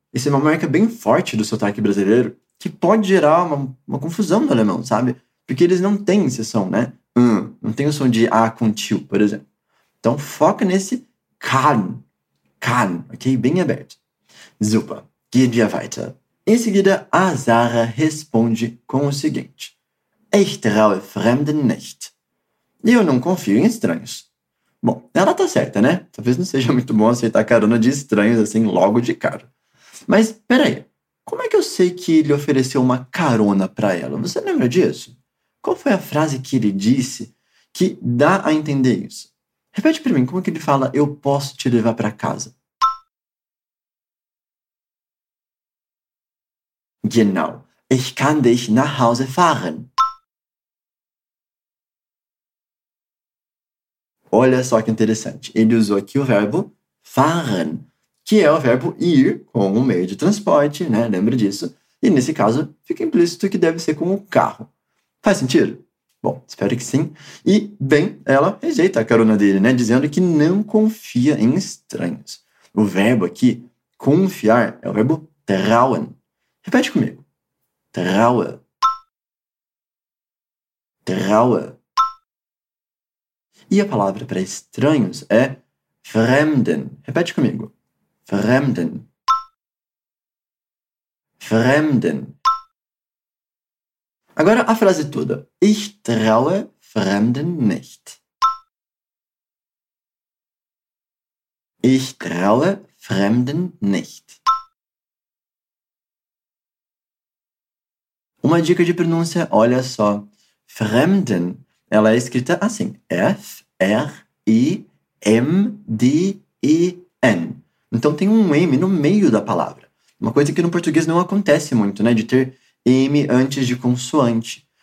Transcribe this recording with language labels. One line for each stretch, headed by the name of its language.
Portuguese: Isso é uma marca bem forte do sotaque brasileiro que pode gerar uma confusão no alemão, sabe? Porque eles não têm esse som, né? Não tem o som de A com tio, por exemplo. Então foca nesse kann. Kann, ok? Bem aberto. Super.
German: Geh dir weiter.
Portuguese: Em seguida, a Sarah responde com o seguinte.
German: Ich traue Fremden nicht.
Portuguese: E eu não confio em estranhos. Bom, ela tá certa, né? Talvez não seja muito bom aceitar carona de estranhos assim logo de cara. Mas, peraí, como é que eu sei que ele ofereceu uma carona pra ela? Você lembra disso? Qual foi a frase que ele disse que dá a entender isso? Repete pra mim, como é que ele fala eu posso te levar pra casa?
German: Genau. Ich kann dich nach Hause fahren.
Portuguese: Olha só que interessante. Ele usou aqui o verbo fahren, que é o verbo ir com o meio de transporte, né? Lembra disso? E nesse caso, fica implícito que deve ser com o carro. Faz sentido? Bom, espero que sim. E, bem, ela rejeita a carona dele, né? Dizendo que não confia em estranhos. O verbo aqui, confiar, é o verbo trauen. Repete comigo. Traue. Traue. E a palavra para estranhos é fremden. Repete comigo. Fremden. Fremden. Agora a frase toda.
German: Ich traue fremden nicht. Ich traue fremden nicht.
Portuguese: Uma dica de pronúncia, olha só. Fremden. Ela é escrita assim, F-R-I-M-D-E-N. Então tem um M no meio da palavra. Uma coisa que no português não acontece muito, né? De ter M antes de consoante.